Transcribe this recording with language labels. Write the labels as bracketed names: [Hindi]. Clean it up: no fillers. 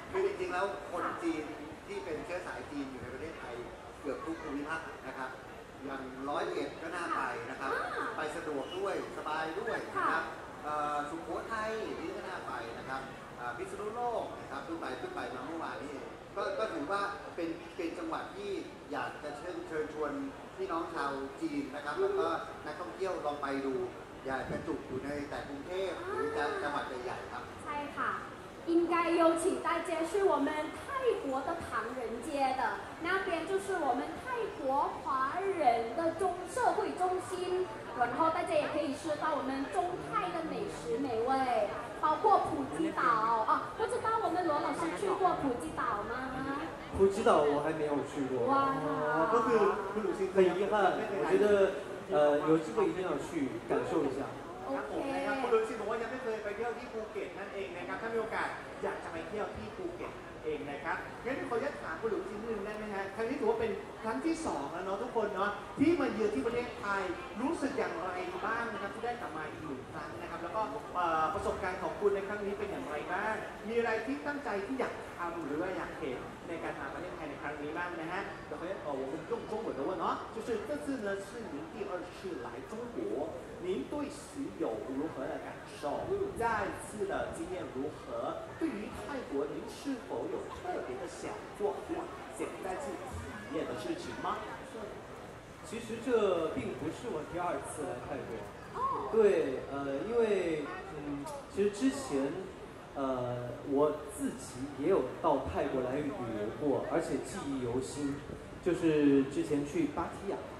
[Thai] จริงๆแล้วคนจีนที่เป็นเชื้อสายจีนอยู่ในประเทศไทยเกือบทุกภูมิภาคนะครับอย่าง101ก็น่าไปนะครับไปสะดวกด้วยสบายด้วยนะครับสุโขทัยนี่ก็น่าไปนะครับพิษณุโลกนะครับขึ้นไปมาเมื่อวานนี้ก็ถือว่าเป็นจังหวัดที่อยากจะเชิญชวน พี่น้องชาวจีนนะครับแล้วก็นักท่องเที่ยวลองไปดูอย่าไปจุกอยู่ในแต่กรุงเทพหรือจังหวัดใหญ่ๆครับ ใช่ค่ะ [Chinese] 应该有请大家去我们泰国的唐人街的那边就是我们泰国华人的中社会中心然后大家也可以吃到我们中泰的美食美味包括普吉岛啊不知道我们罗老师去过普吉岛吗普吉岛我还没有去过哇可是很遗憾我觉得有机会一定要去感受一下 [English] Okay. [Thai] คุณลุงชินบอกว่ายังไม่เคยไปเที่ยวที่ภูเก็ตนั่นเองนะครับถ้ามีโอกาสอยากจะไปเที่ยวที่ภูเก็ตเองนะครับงั้นขอยัดถามคุณลุงชินนิดนึงได้ไหมฮะครั้งนี้ถือว่าเป็นครั้งที่สองแล้วเนาะทุกคนเนาะที่มาเยือนที่ประเทศไทยรู้สึกอย่างไรบ้างนะครับที่ได้กลับมาอีกหนึ่งครั้งนะครับแล้วก็ ประสบการณ์ของคุณในครั้งนี้เป็นอย่างไรบ้างมีอะไรที่ตั้งใจที่อยากทำหรือว่าอยากเห็นในการมาประเทศไทยในครั้งนี้บ้างนะฮะขอยัดวงจงจงหมดแล้วเนาะ [Chinese] 就是这次呢是您第二次来中国您对此有如何的感受？再一次的经验如何？对于泰国，您是否有特别的想做或想再次体验的事情吗？其实这并不是我第二次来泰国。哦。对，因为其实之前，我自己也有到泰国来旅游过，而且记忆犹新，就是之前去芭提雅。